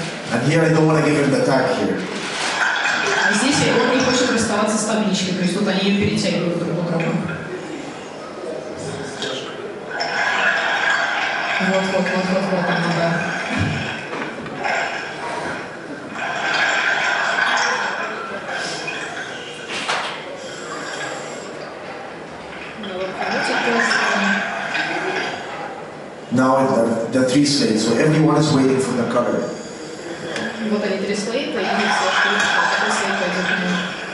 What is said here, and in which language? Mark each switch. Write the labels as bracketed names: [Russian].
[English] And here I don't want to give him the tag here. [Russian] Здесь он не хочет расставаться с табличкой, то есть вот они ее перетягивают друг к другу. Вот. [English] Now the three slates, so everyone is waiting for the color. [Russian] Вот они три слейта, и все, что три слейта идет.